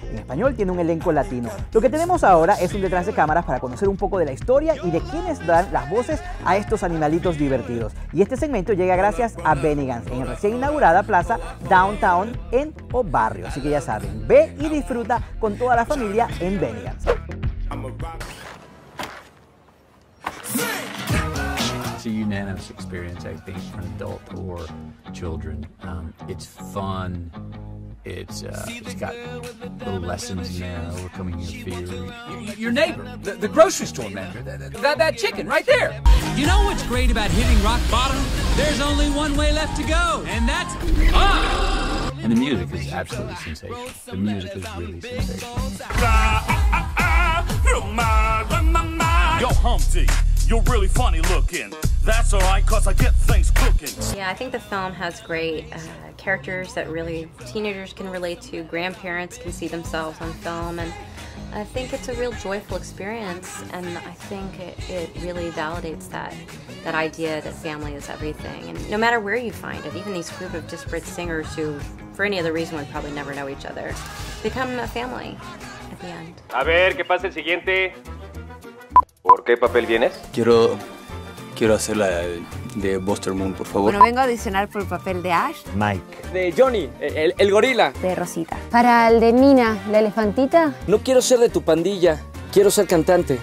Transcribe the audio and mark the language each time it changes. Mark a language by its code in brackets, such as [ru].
[es] En español tiene un elenco latino. Lo que tenemos ahora es un detrás de cámaras para conocer un poco de la historia y de quiénes dan las voces a estos animalitos divertidos. Y este segmento llega gracias a Bennigan's, en la recién inaugurada plaza Downtown en O Barrio. Así que ya saben, ve y disfruta con toda la familia en Bennigan's. [en] It's a unanimous experience, I think, for an adult or children. It's fun. It's got little lessons in there, overcoming your fear. Your neighbor, the grocery store manager, that chicken right there. You know what's great about hitting rock bottom? There's only one way left to go, and that's up. And the music is absolutely sensational. The music is really sensational. Yo, Humpty. You're really funny looking. That's all right, cause I get things cooking. Yeah, I think the film has great characters that really teenagers can relate to. Grandparents can see themselves on film. And I think it's a real joyful experience. And I think it really validates that idea that family is everything. And no matter where you find it, even these group of disparate singers who, for any other reason, would probably never know each other, become a family at the end. [es] A ver, ¿qué pasa el siguiente? ¿Por qué papel vienes? Quiero hacer la de Buster Moon, por favor. Bueno, vengo a audicionar por el papel de Ash. Mike. De Johnny, el gorila. De Rosita. Para el de Mina, la elefantita. No quiero ser de tu pandilla, quiero ser cantante.